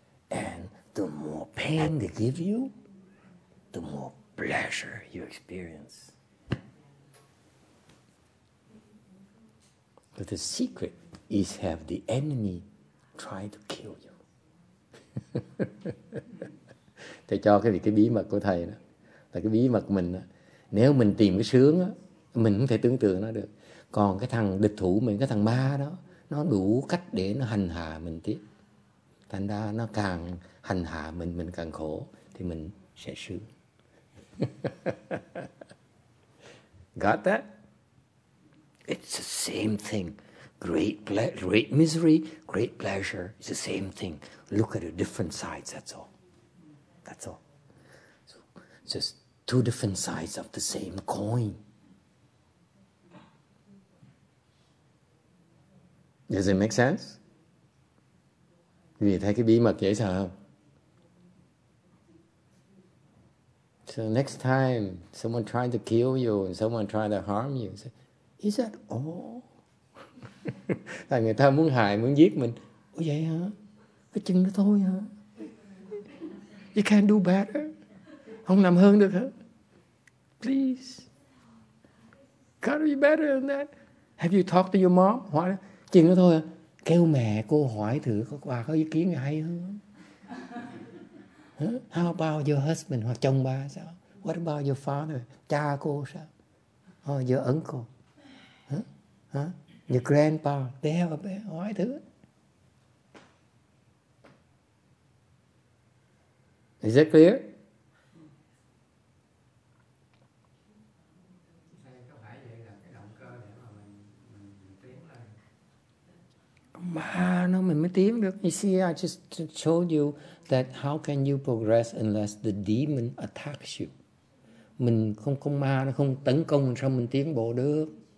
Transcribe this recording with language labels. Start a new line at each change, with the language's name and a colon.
English: And the more pain they give you, the more pleasure you experience. But the secret is have the enemy try to kill you.
Vietnamese: Thầy cho cái bí mật của thầy đó. Là cái bí mật mình đó. Nếu mình tìm cái sướng á, mình không thể tưởng tượng nó được. Còn cái thằng địch thủ mình, cái thằng ma đó, nó đủ cách để nó hành hạ mình tiếp. Thành ra nó càng hành hạ mình càng khổ, thì mình sẽ sướng.
English: Got that? It's the same thing. Great misery, great pleasure. It's the same thing. Look at the different sides, that's all. That's all. So, just two different sides of the same coin. Does it make sense?
Vietnamese: Vì thấy cái bí mật dễ sợ không?
English: So next time someone trying to kill you and someone trying to harm you, say, is that all?
Vietnamese: Tại người ta muốn hại, muốn giết mình. Ủa vậy hả? Cái chân đó thôi hả?
English: You can't do better.
Vietnamese: Không làm hơn được hả?
English: Please. Can't be better than that. Have you talked to your mom?
Vietnamese: Hỏi đó. Chừng đó thôi. Kêu mẹ cô hỏi thử có bà có ý kiến gì hay hơn.
English: How about your husband?
Vietnamese: Hoặc chồng bà sao?
English: What about your father?
Vietnamese: Cha cô sao?
English: Or your uncle? Your grandpa? They have a bad
Vietnamese: hỏi thử.
English: Is that clear?
Vietnamese: Mà nó mình mới tiến được.
English: You see, I just showed you that how can you progress unless the demon attacks you.
Vietnamese: Mình không có ma, nó không tấn công, sao mình tiến bộ được.